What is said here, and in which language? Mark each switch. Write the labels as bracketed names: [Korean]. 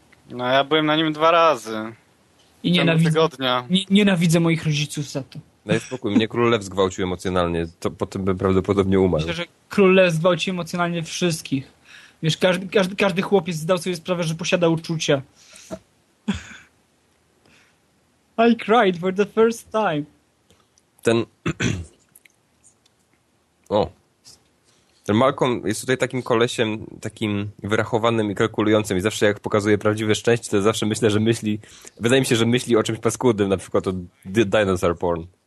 [Polish] No, ja byłem na nim 2 razy. I nienawidzę moich rodziców za to. Daj spokój, mnie Król Lew zgwałcił emocjonalnie, to potem bym prawdopodobnie umarł. Myślę, że Król Lew zgwałcił emocjonalnie wszystkich. Wiesz, każdy chłopiec zdał sobie sprawę, że posiada uczucia. [English] I cried for the first time. [Polish] Ten... O. Ten Malcolm jest tutaj takim kolesiem, takim wyrachowanym i kalkulującym i zawsze jak pokazuje prawdziwe szczęście, to zawsze myślę, że myśli... Wydaje mi się, że myśli o czymś paskudnym, na przykład o dinosaur porn.